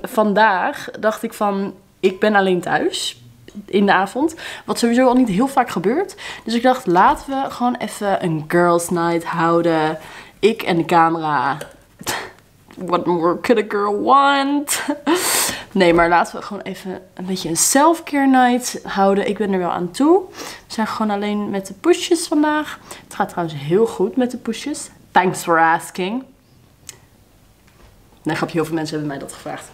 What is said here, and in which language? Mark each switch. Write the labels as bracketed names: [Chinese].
[Dutch] Vandaag dacht ik van, ik ben alleen thuis in de avond. Wat sowieso al niet heel vaak gebeurt. Dus ik dacht, laten we gewoon even een girls night houden. Ik en de camera. [English] What more could a girl want? [Dutch] Nee, maar laten we gewoon even een beetje een self-care night houden. Ik ben er wel aan toe. We zijn gewoon alleen met de poesjes vandaag. Het gaat trouwens heel goed met de poesjes. [English] Thanks for asking. [Dutch] Nee, grapje, heel veel mensen hebben mij dat gevraagd.